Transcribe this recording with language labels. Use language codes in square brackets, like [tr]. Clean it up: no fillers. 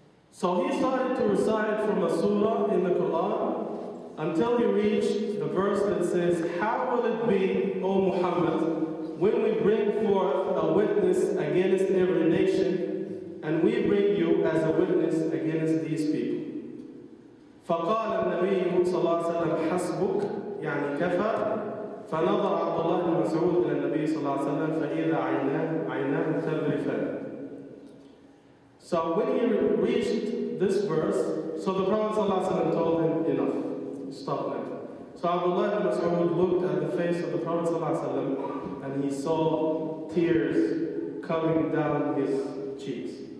[en] So he started to recite from a surah in the Quran until he reached the verse that says, how will it be, O Muhammad, when we bring forth a witness against every nation and we bring you as a witness against these people. [ar] فقال النبي صلى الله عليه وسلم حسبك يعني كفى. فنظر عبد الله بن مسعود الى النبي صلى الله عليه وسلم فإذا عيناه تذرفان. [en] So when he reached this verse, so the Prophet صلى الله عليه وسلم told him enough, stop now. So عبد الله بن مسعود looked at the face of the Prophet صلى الله عليه وسلم and he saw tears coming down his cheeks.